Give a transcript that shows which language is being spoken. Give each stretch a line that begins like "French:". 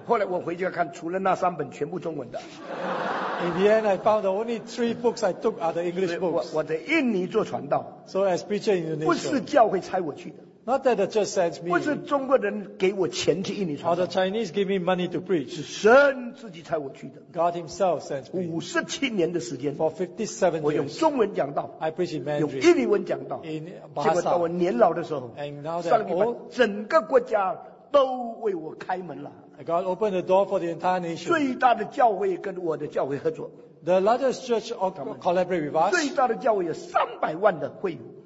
Chinese: 后来我回去看除了那三本全部中文的
English: In the end, I found the only 3 books I took are the English books.
Chinese: 我在印尼做传道
English: So as preacher in Indonesia,
Chinese: 不是教会差我去的
English: Not that it just sends me.
Chinese: 不是中国人给我钱去印尼传道。
English: Or the Chinese give me money to preach.
Chinese: 是神自己差我去的。
English: God Himself sends me.
Chinese: 57年的时间。
English: For 57 years.
Chinese: 我用中文讲道。
English: I preach in Mandarin.
Chinese: 用印尼文讲道。
English: In
Chinese: Bahasa. 结果到我年老的时候。
English: And now that
Chinese: 上帝把整个国家都为我开门了。
English: God opened the door for the entire nation.
Chinese: 最大的教会跟我的教会合作。
English: The largest church collaborate with us.
Chinese: 最大的教会有300万的会员。